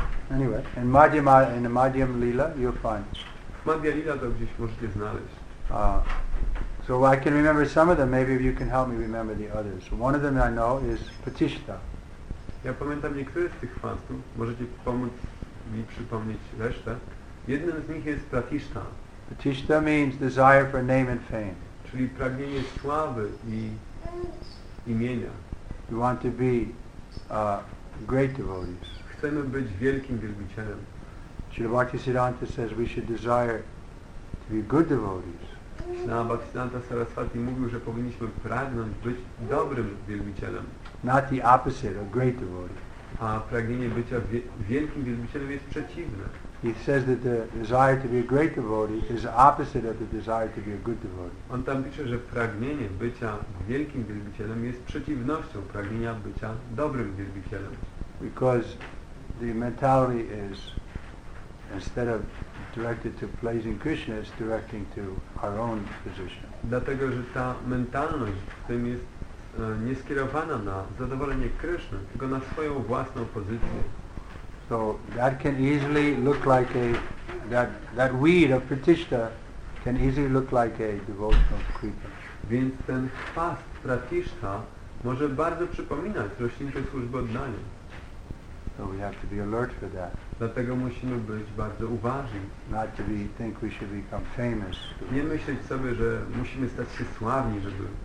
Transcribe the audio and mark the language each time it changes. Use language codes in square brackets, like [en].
[en] Anyway, in Madhyam Lila, you'll find. [pl] Madhya Lila to gdzieś możecie znaleźć. [en] So I can remember some of them, maybe if you can help me remember the others. One of them I know is Pratishtha. [pl] Ja pamiętam niektóre z tych chwastów, możecie pomóc mi przypomnieć resztę. Jednym z nich jest Pratishtha. [en] Pratishtha means desire for name and fame. [pl] Czyli pragnienie sławy i imienia. [en] You want to be great devotees. [pl] Chcemy być wielkim wielbicielem. [en] Śrīla Bhaktisiddhānta says we should desire to be good devotees. [pl] Śrīla Bhaktisiddhānta Sarasvati mówił, że powinniśmy pragnąć być dobrym wielbicielem. [en] Not the opposite, a great devotee. [pl] A pragnienie bycia wielkim wielbicielem jest przeciwne. [en] He says that the desire to be a great devotee is opposite of the desire to be a good devotee. [pl] On tam pisze, że pragnienie bycia wielkim wielbicielem jest przeciwnością pragnienia bycia dobrym wielbicielem. [en] Because the mentality is instead of directed to pleasing Krishna, it's directing to our own position. [pl] Dlatego, że ta mentalność w tym jest nie skierowana na zadowolenie Kryszny, tylko na swoją własną pozycję. [en] So that can easily look like that weed of Pratishtha can easily look like a devotional creeper. [pl] Więc ten chwast Pratishtha może bardzo przypominać roślinkę służby oddania. [en] So we have to be alert for that. [pl] Dlatego musimy być bardzo uważni. [en] Not to be, think we should become famous. [pl] Nie myśleć sobie, że musimy stać się sławni, żeby.